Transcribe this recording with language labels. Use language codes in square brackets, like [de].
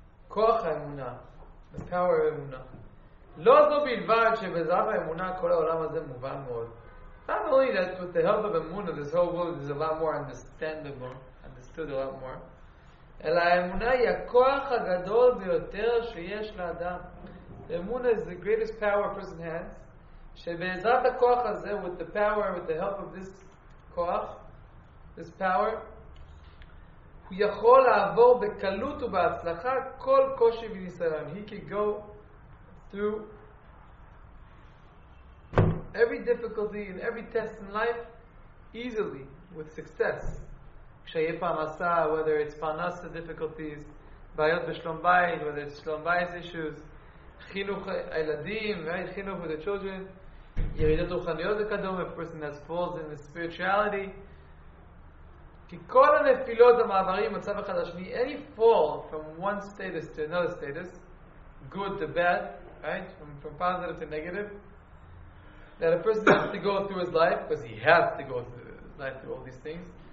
[he] Koach ha'emuna, [en] the power of emuna. [he] Lo zo bilvad shebezav ha'emuna kol ha'olam hazeh muvan mod. [en] Not only that, with the help of emuna, this whole world is a lot more understood a lot more. [he] אלא האמונה היא הכוח הגדול ביותר שיש לאדם. [en] The emunah is the greatest power a person has, [he] שבעזרת הכוח הזה, [en] with the power, with the help of this כוח, this power, [he] הוא יכול לעבור בקלות ובהצלחה כל קושי וניסיון. [en] He can go through every difficulty and every test in life easily, with success. [he] כשיהיה פרנסה, [en] whether it's פרנסה difficulties, [he] בעיות בשלום בית, [en] whether it's שלום בית issues, [he] חינוך הילדים, right? [en] חינוך with the children, [he] ירידות רוחניות וכדומה, [en] a person that falls in the spirituality. [he] כי כל הנפילות המעברים, מצב אחד השני, [en] any fall from one status to another status, good to bad, right? From positive to negative. That a person has to go through his life, because he has to go through his life through all these things.